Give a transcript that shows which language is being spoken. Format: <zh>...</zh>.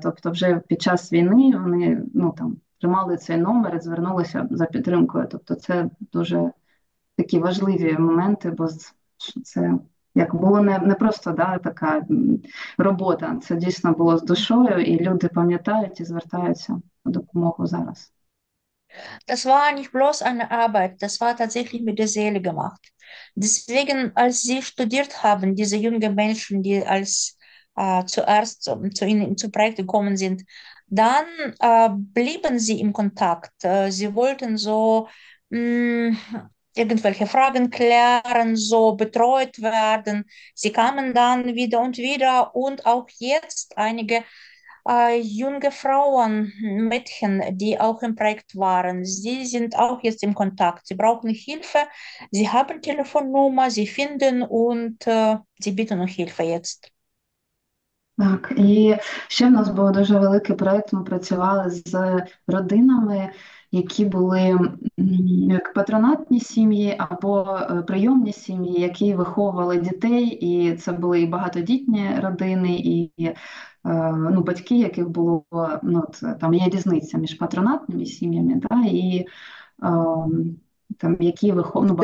<uk>Тобто, вже під час війни вони, ну, там тримали цей номер і звернулися за підтримкою. Тобто, це дуже такі важливі моменти, бо це як було не просто, да, така робота. Це дійсно було з душою, і люди пам'ятають і звертаються по допомогу зараз.</uk> <de>Das war nicht bloß eine Arbeit, das war tatsächlich mit der Seele gemacht. Deswegen, als sie studiert haben, diese jungen Menschen, die als zuerst zu Projekt gekommen sind, dann blieben sie im Kontakt. Sie wollten so irgendwelche Fragen klären, so betreut werden. Sie kamen dann wieder und wieder und auch jetzt einige. Junge Frauen Mädchen, die auch im Projekt waren, sie sind auch jetzt im Kontakt. Sie brauchen Hilfe. Sie haben Telefonnummer, sie finden und sie bitten um Hilfe jetzt.</de> <uk>Так, і ще в нас був дуже великий проєкт. Ми працювали з родинами, які були як патронатні сім'ї або прийомні сім'ї, які виховували дітей. І це були і багатодітні родини, і батьки, яких було, там є різниця між патронатними сім'ями, да, і там які виховували</uk>